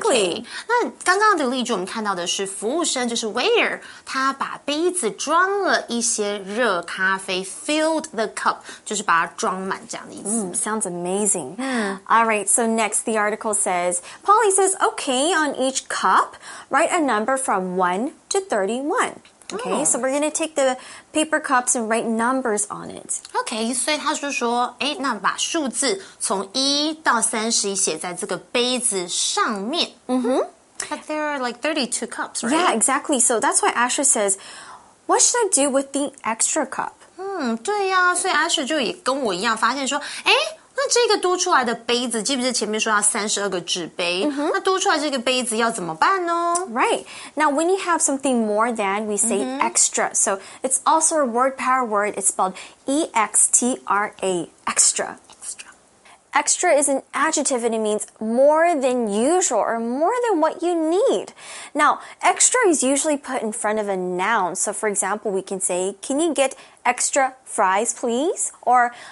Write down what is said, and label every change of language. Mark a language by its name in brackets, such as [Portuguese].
[Chinese] okay. 那刚刚的例句我们看到的是服务生，就是 waiter， 他把杯子装了一些热咖啡， [English] filled the cup， [Chinese] 就是把它装满这样的意思。 [English] Sounds amazing. All right, so next the article says, Polly says, okay, on each cup, write a number from 1 to 31. Okay, so we're going to take the paper cups and write numbers on it. [Chinese] Okay, 所以他就说，诶，那把数字从一到三十一写在这个杯子上面。 [English] But there are like 32 cups, right? Yeah, exactly. So that's why Asher says, what should I do with the extra cup? [Chinese] 对呀，所以 Asher 就也跟我一样发现说，诶，那这个多出来的杯子，记不记得前面说要32个纸杯？那多出来这个杯子要怎么办呢？ [English] Right. Now, when you have something more than, we say extra. So, it's also a word power word. It's spelled E-X-T-R-A, extra. Extra. Extra is an adjective and it means more than usual or more than what you need. Now, extra is usually put in front of a noun. So, for example, we can say, can you get extra fries, please? Or...